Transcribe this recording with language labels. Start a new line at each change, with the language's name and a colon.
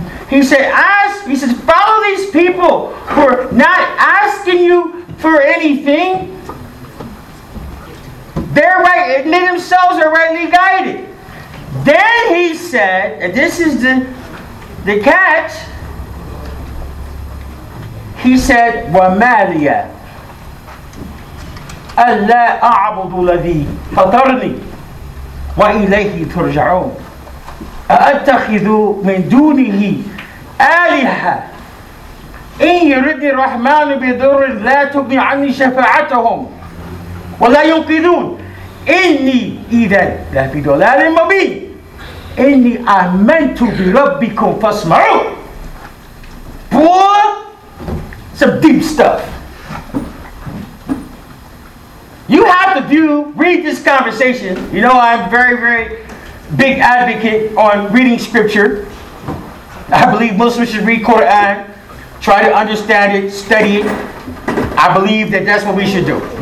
English: He said, follow these people who are not asking you for anything. They're right, they themselves are rightly guided. Then he said, and this is the catch, he said,
Arabic: وَمَالِيَ ألا أعبد الذي فطرني وإليه ترجعون أأتخذ من دونه آلهة إن يرد الرحمن بضر لا تغني عني شفاعتهم ولا ينقذون إني إذا لفي ضلال مبين إني آمنت بربكم فاسمعوا
English: some deep stuff. You have to read this conversation. You know, I'm very, very big advocate on reading scripture. I believe Muslims should read Quran, try to understand it, study it. I believe that that's what we should do.